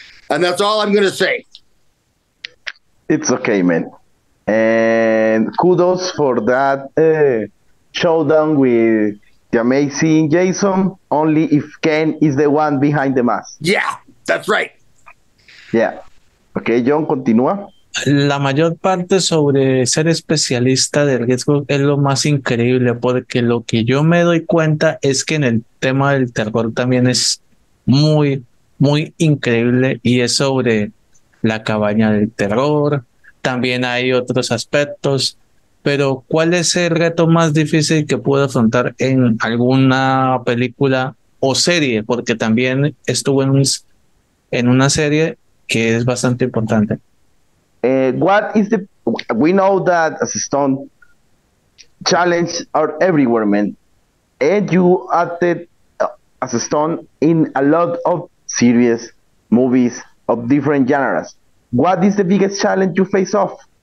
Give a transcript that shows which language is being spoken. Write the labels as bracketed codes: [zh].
[en] And that's all I'm going to say. It's okay, man. And kudos for that showdown with the amazing Jason, only if Ken is the one behind the mask. Yeah, that's right. Yeah. Okay, John, [es] continúa. La mayor parte sobre ser especialista del riesgo es lo más increíble, porque lo que yo me doy cuenta es que en el tema del terror también es muy, muy increíble, y es sobre la cabaña del terror. También hay otros aspectos, pero ¿cuál es el reto más difícil que pude afrontar en alguna película o serie, porque también estuvo en una serie que es bastante importante. [en] What is the? We know that as a stunt, challenges are everywhere, man. And you acted as a stunt in a lot of series, movies of different genres. What is the biggest challenge you face off?